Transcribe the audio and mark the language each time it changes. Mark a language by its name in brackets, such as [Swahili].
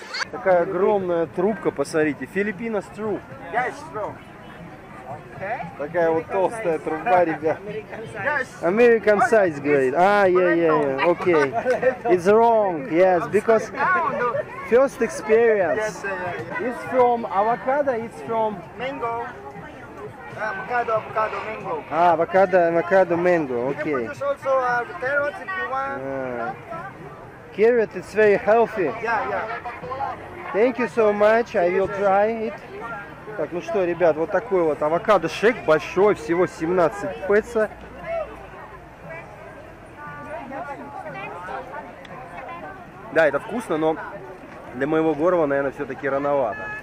[Russian] Такая огромная трубка, посмотрите. [English] Филиппинос тру. Yes, true. [Russian] Такая вот толстая труба, ребят. [English] American size. American size, [Russian] говорит. [English] Yeah. Okay. It's wrong, yes, because... First experience. Yes. It's from avocado. It's from mango. Avocado, mango. Avocado, mango. Okay. You can produce also carrots if you want. Carrot, it's very healthy. Yeah. Thank you so much. I will try it. [Russian] Так, ну что, ребят, вот такой вот авокадо шейк большой, всего 17 песо. Да, это вкусно, но для моего горла, наверное, все-таки рановато.